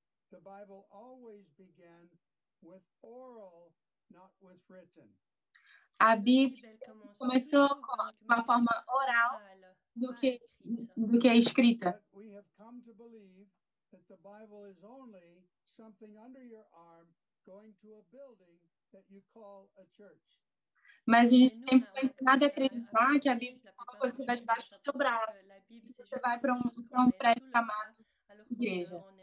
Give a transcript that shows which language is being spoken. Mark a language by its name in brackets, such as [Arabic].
[English] The Bible always began with oral, not with written. [Portuguese] A Bíblia começou com uma forma oral do que é escrita. [English] We have come to believe that the Bible is only something under your arm going to a building that you call a church. [Portuguese] Mas a gente sempre foi ensinado a acreditar que a Bíblia é uma coisa que vai debaixo do teu braço e você vai para um prédio chamado igreja.